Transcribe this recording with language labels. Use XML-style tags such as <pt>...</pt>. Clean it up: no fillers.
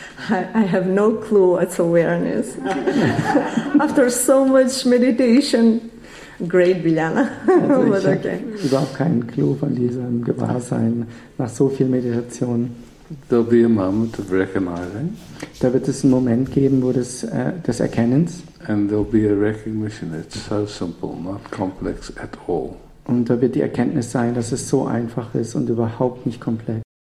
<en>I have no clue what's awareness. After so much meditation, great, Biljana.</en> <de>Also ich habe überhaupt keinen Clou von diesem Gewahrsein nach so viel Meditation.</de> <en>There'll be a moment of recognizing.</en> <de>Da wird es einen Moment geben, wo des Erkennens.</de> <en>And there'll be a recognition. It's so simple, not complex at all.</en> <de>Und da wird die Erkenntnis sein, dass es so einfach ist und überhaupt nicht komplex.</de>